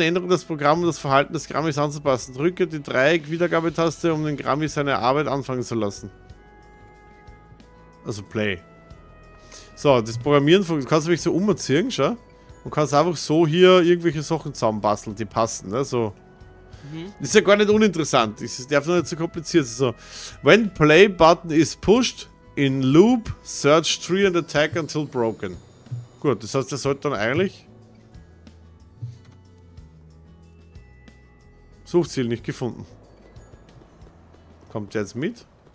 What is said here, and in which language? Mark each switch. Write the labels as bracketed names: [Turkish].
[German] Ändere das Programm, um das Verhalten des Grimmys anzupassen. Drücke die Dreieck-Wiedergabetaste, um den Grimmy seine Arbeit anfangen zu lassen. Also Play. So, das Programmieren von. Du kannst mich so umerziehen, schau. Und kannst einfach so hier irgendwelche Sachen zusammenbasteln, die passen, ne? So. Mhm. Ist ja gar nicht uninteressant. Das darf noch nicht so kompliziert sein. So. [English] When Play Button is pushed, in Loop, Search Tree and Attack until broken. [German] Gut, das heißt, der sollte dann eigentlich. Suchziel nicht gefunden. Kommt jetzt mit?